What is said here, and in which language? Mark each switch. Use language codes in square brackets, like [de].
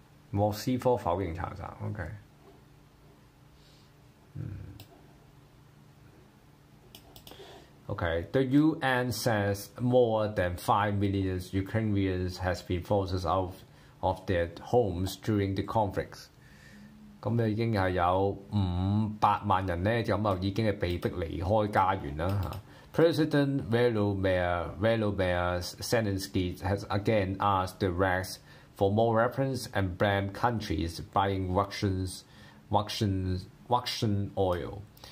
[en] 莫斯科否認查查，OK， 嗯。OK，The UN says more than 5 million Ukrainians has been forced out of their homes during the conflicts. [yue] 咁咧已經係有500,000人咧，就咁啊已經係被迫離開家園啦嚇。 [en] President Volodymyr Zelensky has again asked the West for more weapons and blame countries buying Russian oil.